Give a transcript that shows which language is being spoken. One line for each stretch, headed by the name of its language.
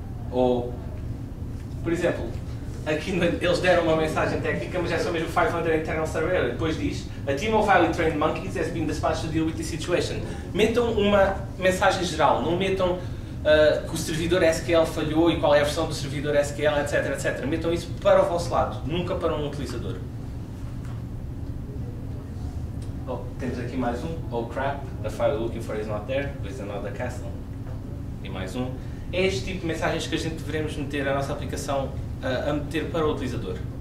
Portuguese: Ou, por exemplo, aqui eles deram uma mensagem técnica, mas é só mesmo 500 internal surveyor. Depois diz,
English: a team of highly trained monkeys has been dispatched to deal with the situation.
Portuguese: Metam uma mensagem geral, não metam que o servidor SQL falhou e qual é a versão do servidor SQL, etc, etc. Metam isso para o vosso lado, nunca para um utilizador. Oh, temos aqui mais um.
English: Oh crap, the file you're looking for is not there, there is another castle.
Portuguese: E mais um. É este tipo de mensagens que a gente deveremos meter à nossa aplicação a meter para o utilizador.